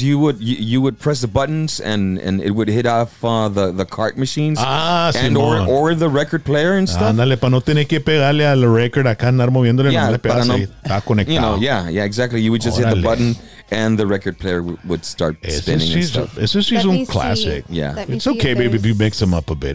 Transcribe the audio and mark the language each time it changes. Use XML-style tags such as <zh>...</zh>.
<en>You would press the buttons and it would hit off the cart machines. Or the record player and stuff.</en> <es>Ándale, para no tener que pegarle al record acá andar moviéndole, no le pegas, está conectado.</es> <en>Yeah, exactly. You would just hit the button and the record player would start spinning and stuff. It's a season classic. See. Yeah. It's okay, baby, if you mix them up a bit.</en>